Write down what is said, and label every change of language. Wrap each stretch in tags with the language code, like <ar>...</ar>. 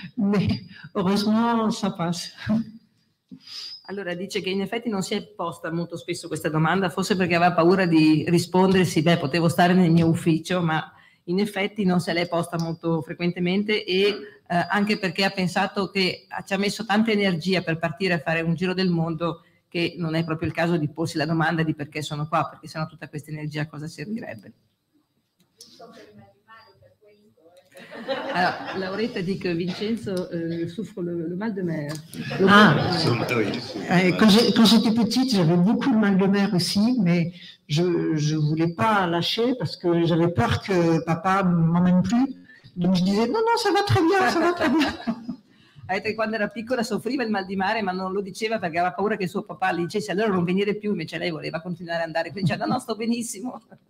<fr>Mais heureusement, ça passe.</fr> <it>Allora, dice che in effetti non si è posta molto spesso questa domanda, forse perché aveva paura di rispondersi, beh, potevo stare nel mio ufficio, ma in effetti non se l'è posta molto frequentemente e anche perché ha pensato che ci ha messo tanta energia per partire a fare un giro del mondo, che non è proprio il caso di porsi la domanda di perché sono qua, perché sennò tutta questa energia a cosa servirebbe. Allora, Lauretta dice che Vincenzo soffre</it> <fr>le mal de mer. Quand j'étais petite, j'avais beaucoup de mal de mer aussi, mais je voulais pas lâcher parce que j'avais peur que papà m'emmène plus. Donc je disais non, ça va très bien, ça va très bien.</fr> <it>Quando era piccola soffriva il mal di mare, ma non lo diceva perché aveva paura che suo papà gli dicesse allora non venire più, invece lei voleva continuare ad andare. Quindi diceva, no, sto benissimo.</it>